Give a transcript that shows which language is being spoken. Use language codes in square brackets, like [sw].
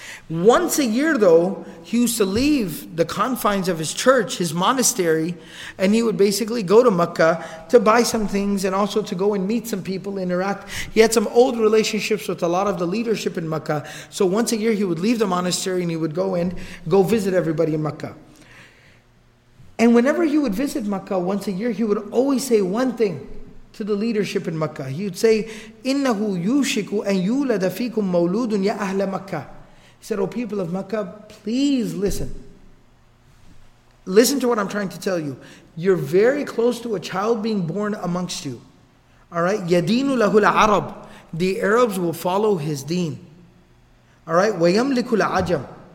[en] Once a year though, he used to leave the confines of his church, his monastery, and he would basically go to Mecca to buy some things and also to go and meet some people, interact. He had some old relationships with a lot of the leadership in Mecca. So once a year he would leave the monastery and he would go and go visit everybody in Mecca. And whenever he would visit Mecca once a year, he would always say one thing to the leadership in Mecca. He would say, [ar] إِنَّهُ يُوشِكُ أَن يُولَدَ فِيكُم مَوْلُودٌ يَا أَهْلَ مَكَّةٌ. [en] He said, oh people of Mecca, please listen. Listen to what I'm trying to tell you. You're very close to a child being born amongst you. [ar] Alright? يَدِينُ لَهُ الْعَرَبُ. [en] The Arabs will follow his deen. [ar] Alright? وَيَمْلِكُ الْعَجَمُ.